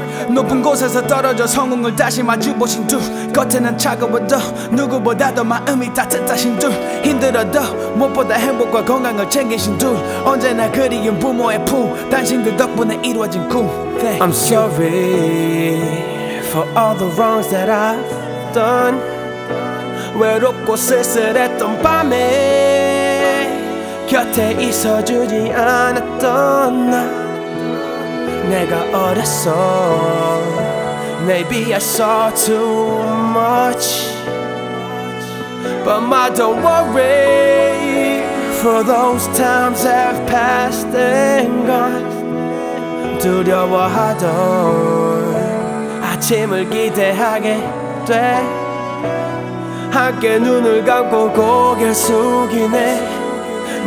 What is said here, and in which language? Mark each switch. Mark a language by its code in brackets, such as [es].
[ko] 높은 곳에서 떨어져 성공을 다시 마주보신 두 겉에는 차가워도 누구보다도 마음이 따뜻하신 두 힘들어도 무엇보다 행복과 건강을 챙기신 두 언제나 그리운 부모의 품 당신들 덕분에 이루어진 꿈. [en] Thank you. I'm sorry for all the wrongs that I've done. [ko] 외롭고 쓸쓸했던 밤에 곁에 있어주지 않았던 나. 내가 어렸어. [en] Maybe I saw too much. But my don't worry, for those times have passed and gone. [ko] 두려워하던 아침을 기대하게 돼. 함께 눈을 감고 고개 숙이네.